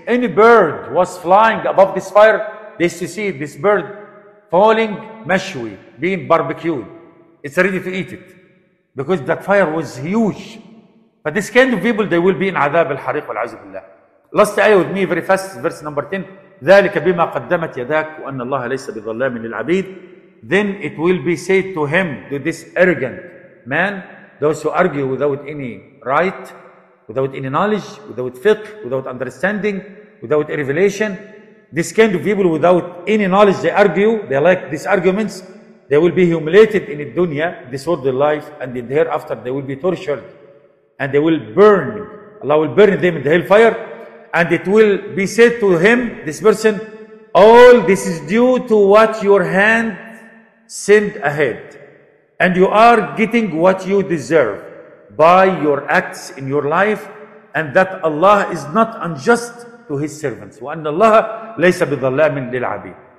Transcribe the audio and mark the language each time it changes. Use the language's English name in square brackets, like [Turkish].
[English] Any bird was flying above this fire, they used to see this bird falling mashwi, being barbecued. It's ready to eat it. Because that fire was huge. But this kind of people, they will be in [Arabic] عذاب الحريق والعزب الله. [English] Last ayah with me very fast, verse number 10. [Arabic] ذلك بما قدمت يداك وأن الله ليس بظلام للعبيد. [English] Then it will be said to him, to this arrogant man, those who argue without any right, without any knowledge, without fiqh, without understanding, without a revelation. This kind of people without any knowledge, they argue, they like these arguments, they will be humiliated in the dunya, this world of life, and in the hereafter they will be tortured, and they will burn, Allah will burn them in the hellfire, and it will be said to him, this person, all this is due to what your hand sent ahead, and you are getting what you deserve by your acts in your life, and that Allah is not unjust to his servants. [Arabic] وأن الله ليس بظلام للعبيد.